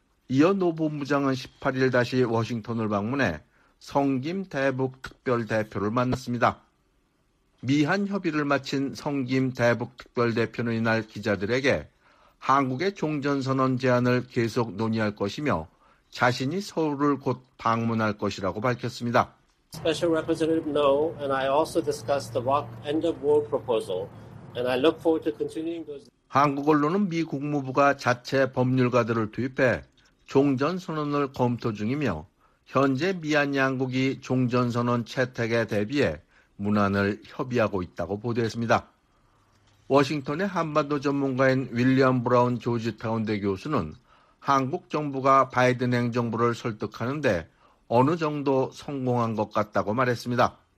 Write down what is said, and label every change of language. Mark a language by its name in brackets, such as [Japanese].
[Korean] 이어 노 본부장은 18일 다시 워싱턴을 방문해 성김 대북 특별 대표를 만났습니다. 미한 협의를 마친 성김 대북특별대표는 이날 기자들에게 한국의 종전선언 제안을 계속 논의할 것이며 자신이 서울을 곧 방문할 것이라고 밝혔습니ida. [English] Special Representative No and I also discussed the ROC end of war proposal and I look forward to continuing those. [Korean] 한국 언론은 미 국무부가 자체 법률가들을 투입해 종전선언을 검토 중이며 현재 미한 양국이 종전선언 채택에 대비해 문안을 협의하고 있다고 보도했습니다. 워싱턴의 한반도 전문가인 윌리엄 브라운 조지타운대 교수는 한국 정부가 바이든 행정부를 설득하는 데 어느 정도 성공한 것 같다고 말했습니다.